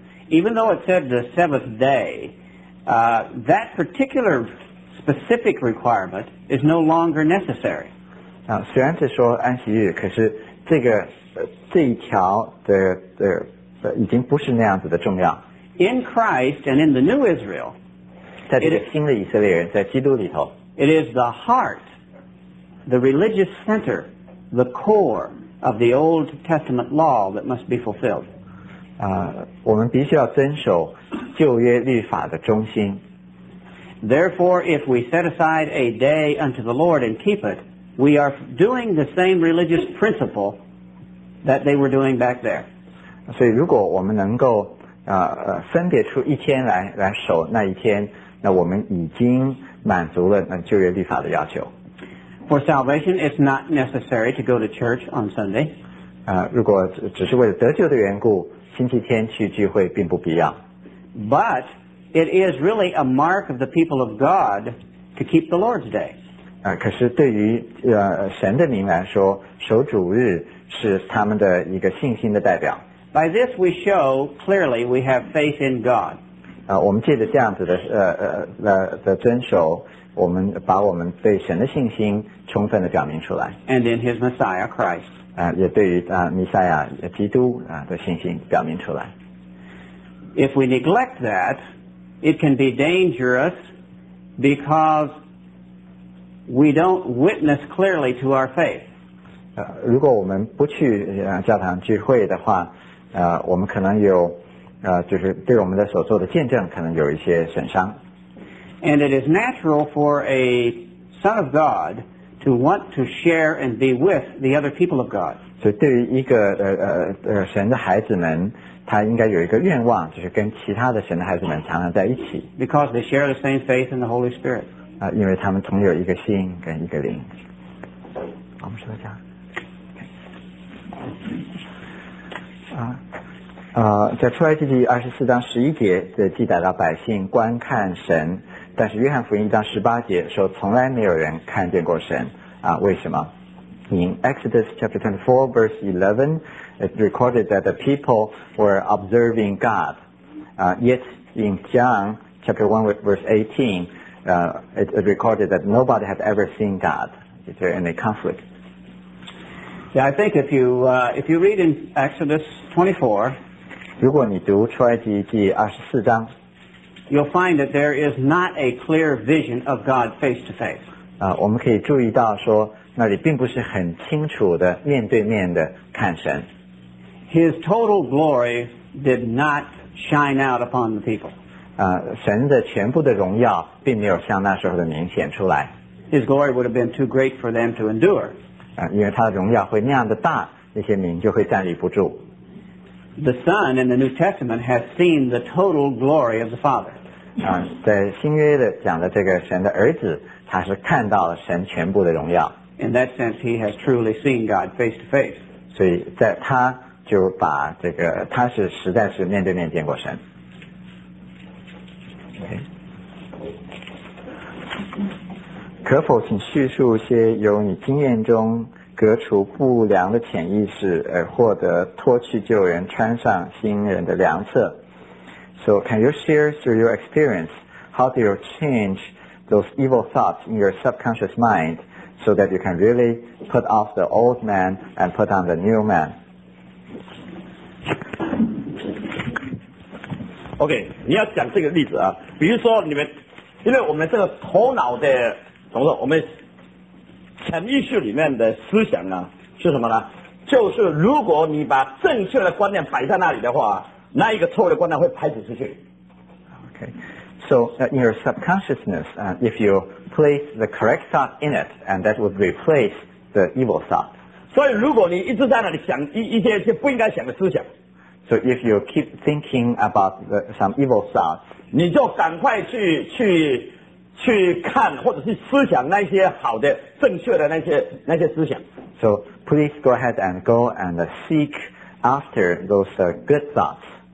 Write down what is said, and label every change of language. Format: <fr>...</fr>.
<en>Even though it said the seventh day, that particular specific requirement is no longer necessary.</en> <zh>虽然是说安息日，可是这个这一条的已经不是那样子的重要。</zh> <en>In Christ and in the New Israel,</en> <zh>在这个新的以色列人，在基督里头</zh> <en>，it is the heart, the religious center, the core of the Old Testament law that must be fulfilled.</en> <zh>我们必须要遵守旧约律法的中心。</zh> <en>Therefore, if we set aside a day unto the Lord and keep it. We are doing the same religious principle that they were doing back there.</en> <zh>所以如果我们能够分别出一天来守那一天，那我们已经满足了旧约律法的要求。</zh> <en>For salvation, it's not necessary to go to church on Sunday.</en> <zh>如果只是为了得救的缘故，星期天去聚会并不必要。</zh> <en>But it is really a mark of the people of God to keep the Lord's day.</en> <zh>可是对于神的民来说，守主日是他们的一个信心的代表。</zh> <en>By this we show clearly we have faith in God.</en> <zh>我们借着这样子的遵守，我们把我们对神的信心充分的表明出来。</zh> <en>And in His Messiah Christ.</en> <zh>也对于弥赛亚基督的信心表明出来。</zh> <en>If we neglect that, it can be dangerous because. We don't witness clearly to our faith.</en> <zh>如果我们不去教堂聚会的话，我们可能有就是对我们的所做的见证可能有一些损伤。</zh> <en>And it is natural for a son of God to want to share and be with the other people of God.</en> <zh>所以对于一个神的孩子们，他应该有一个愿望，就是跟其他的神的孩子们常常在一起。</zh> <en>Because they share the same faith in the Holy Spirit.</en> <zh>因为他们同有一个心跟一个灵。我们说一下。在出埃及记二十四章十一节的记载到百姓观看神，但是约翰福音一章十八节说从来没有人看见过神。为什么？</zh> <en>In Exodus chapter 24 verse 11 it recorded that the people were observing God. Yet in John chapter 1 verse 18,it recorded that nobody had ever seen God. Is there any conflict? Yeah, I think if you read in Exodus 24,</en> <zh>如果你读出埃及记二十四章</zh> <en>you'll find that there is not a clear vision of God face to face.</en> <zh>我们可以注意到说那里并不是很清楚的面对面的看神。</zh> <en>His total glory did not shine out upon the people.</en> <zh>神的全部的荣耀并没有像那时候的明显出来。</zh> <en>His glory would have been too great for them to endure.</en> <zh>因为他的荣耀会那样的大，那些民就会站立不住。</zh> <en>The Son in the New Testament has seen the total glory of the Father.</en> <zh>在新约的讲的这个神的儿子，他是看到了神全部的荣耀。</zh> <en>In that sense, he has truly seen God face to face.</en> <zh>所以在他就把这个，他是实在是面对面见过神。可否请叙述一些由你经验中革除不良的潜意识而获得脱去旧人穿上新人的良策？</zh> <en>So can you share through your experience how do you change those evil thoughts in your subconscious mind so that you can really put off the old man and put on the new man?</en> <zh>OK, 你要讲这个例子啊，比如说你们，因为我们这个头脑的同时我们潜意识里面的思想啊，是什么呢？就是如果你把正确的观念摆在那里的话，那一个错的观念会排挤出去。</zh> <en>Okay, so in your subconsciousness, if you place the correct thought in it, and that would replace the evil thought.</en> <zh>所以如果你一直在那里想一些不应该想的思想</zh> <en>，So if you keep thinking about some evil thoughts,</en> <zh>你就赶快去看或者是思想那些好的正确的那些思想。</zh> <en>So please go ahead and go and seek after those good thoughts.</en>